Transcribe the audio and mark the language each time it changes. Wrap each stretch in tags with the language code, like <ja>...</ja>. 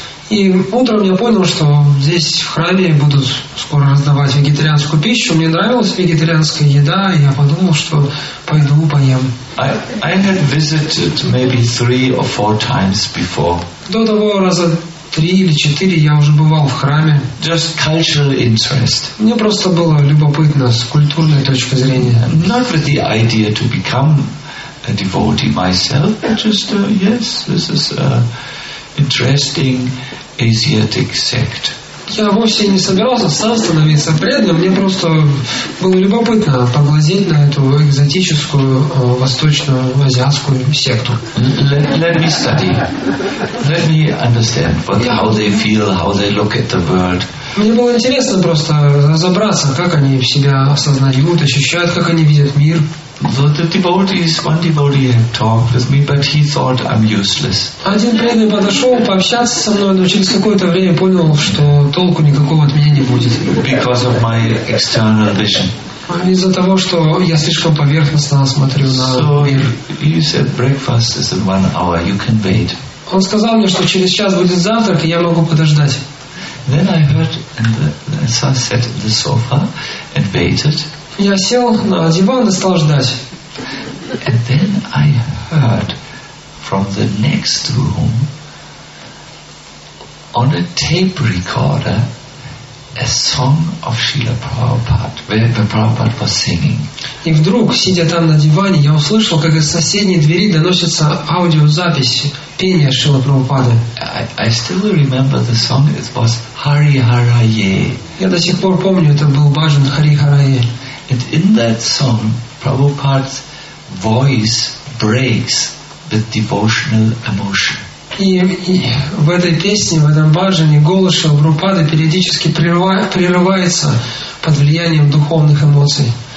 <ru>И утром я понял, что здесь в храме будут скоро раздавать вегетарианскую пищу. Мне нравилась вегетарианская еда, и я подумал, что пойду поем.</ru> <en>I had visited maybe 3 or 4 times before.</en> <ru>До того раза 3 или 4 я уже бывал в храме.</ru> <en>Just cultural interest.</en> <ru>Мне просто было любопытно с культурной точки зрения.</ru> <en>Not with the idea to become a devotee myself, but just yes, this is a interesting Asiatic sect.</en> <ru>Я вовсе не собирался сам становиться преданным, мне просто было любопытно поглазеть на эту экзотическую восточную азиатскую секту.</ru> <en>Let me study. Let me understand how they feel, how they look at the world.</en> <ru>Мне было интересно просто разобраться, как они себя осознают, ощущают, как они видят мир.</ru> <en>So the devotees, one devotee had talked with me, but he thought I'm useless.</en> <ru>Один преданный подошел пообщаться со мной, но через какое-то время понял, что толку никакого от меня не будет.</ru> <en>Because of my external vision.</en> <ru>Из-за того, что я слишком поверхностно смотрю на мир.</ru> <en>So he said breakfast is in 1 hour, you can wait.</en> <ru>Он сказал мне, что через час будет завтрак, и я могу подождать.</ru> <en>Then I heard, and the son sat on the sofa and waited.</en> <ru>Я сел на диван и стал ждать.</ru> <en>And then I heard from the next room on a tape recorder a song of Srila Prabhupada, where Prabhupada was singing.</en> <ru>И вдруг, сидя там на диване, я услышал, как из соседней двери доносится аудиозапись пения Шрилы Прабхупады.</ru> <en>I still remember the song. It was Hari Haraye.</en> <ru>Я до сих пор помню, это был бажан Хари Харае.</ru> <en>And in that song, Prabhupada's voice breaks with devotional emotion.</en> <ru>И в этой песне, в этом бажане, голос Шрилы Прабхупады периодически прерывается под влиянием духовных эмоций.</ru>